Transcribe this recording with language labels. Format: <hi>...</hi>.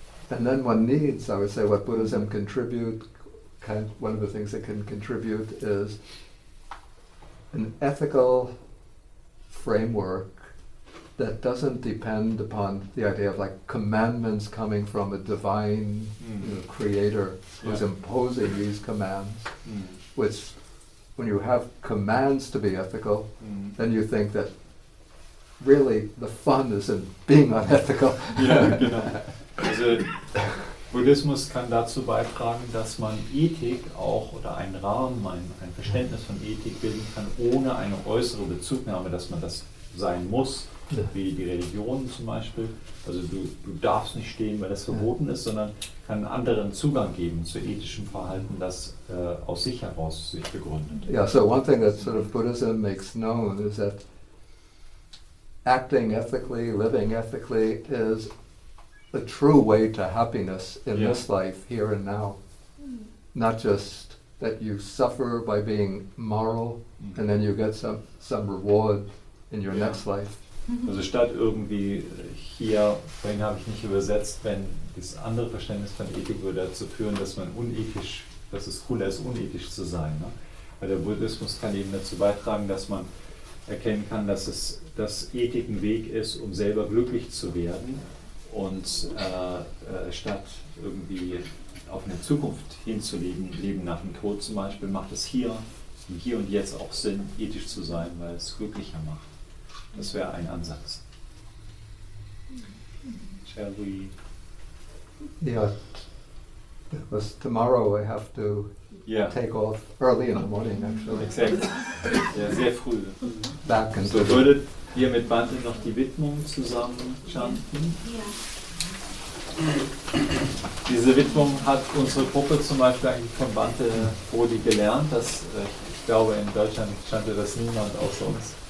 <en>And then one needs, I would say, what Buddhism contribute, one of the things it can contribute is an ethical framework that doesn't depend upon the idea of like commandments coming from a divine creator who's imposing these commands, which when you have commands to be ethical, then you think that really the fun is in being unethical.</en> <de>Yeah, genau. Also Buddhismus kann dazu beitragen, dass man Ethik auch oder einen Rahmen, ein Verständnis von Ethik bilden kann, ohne eine äußere Bezugnahme, dass man das sein muss. Wie die Religion zum Beispiel. Also du darfst nicht stehen, weil das verboten ist, sondern kann einen anderen Zugang geben zu ethischem Verhalten, das aus sich heraus sich begründet.</de> <en>Yeah, so one thing that sort of Buddhism makes known is that acting ethically, living ethically is a true way to happiness in this life, here and now. Not just that you suffer by being moral and then you get some reward in your next life.</en> <de>Also statt irgendwie hier, vorhin habe ich nicht übersetzt, wenn das andere Verständnis von Ethik würde dazu führen, dass man unethisch, dass es cooler ist, unethisch zu sein. Ne? Weil der Buddhismus kann eben dazu beitragen, dass man erkennen kann, dass Ethik ein Weg ist, um selber glücklich zu werden. Und statt irgendwie auf eine Zukunft hinzulegen, Leben nach dem Tod zum Beispiel, macht es hier, im Hier und Jetzt auch Sinn, ethisch zu sein, weil es glücklicher macht. Das wäre ein Ansatz.</de> <en>Shall we? Yeah. Because tomorrow I have to take off early in the morning, actually.</en> <de>Exactly. Ja, sehr früh.</de> <en>Back and</en> <de>so würdet ihr mit Bante noch die Widmung zusammen chanten? Ja. Diese Widmung hat unsere Gruppe zum Beispiel eigentlich von Bante Bodhi gelernt. Dass, ich glaube, in Deutschland chante das niemand außer uns.</de>